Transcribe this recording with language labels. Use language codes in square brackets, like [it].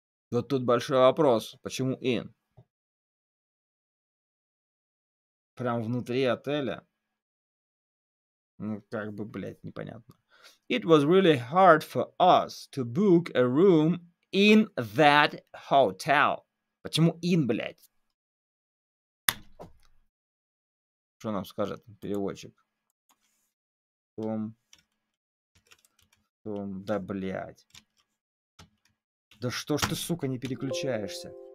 [ru] Вот тут большой вопрос, почему in? Прям внутри отеля? Ну, как бы, блядь, непонятно. [en] It was really hard for us to book a room in that hotel. [ru] Почему in, блядь? Что нам скажет переводчик? Том, да, блядь. Да что ж ты, сука, не переключаешься?